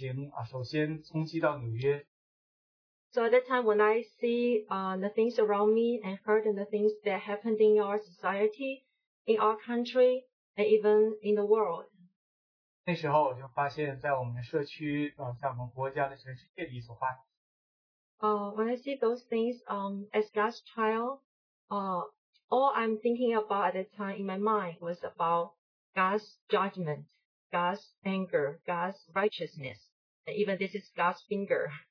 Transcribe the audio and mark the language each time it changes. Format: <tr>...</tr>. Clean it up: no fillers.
<zh>大家知道今年三四月份的时候，就是这个疫情首先冲击到纽约。</zh> <en>So at that time, when I see the things around me and heard the things that happened in our society, in our country, and even in the world.</en> <zh>那时候我就发现，在我们的社区，在我们国家的城市这里所发生。When</zh> <en>I see those things as God's child, all I'm thinking about at that time in my mind was about God's judgment, God's anger, God's righteousness, and even this is God's finger.</en>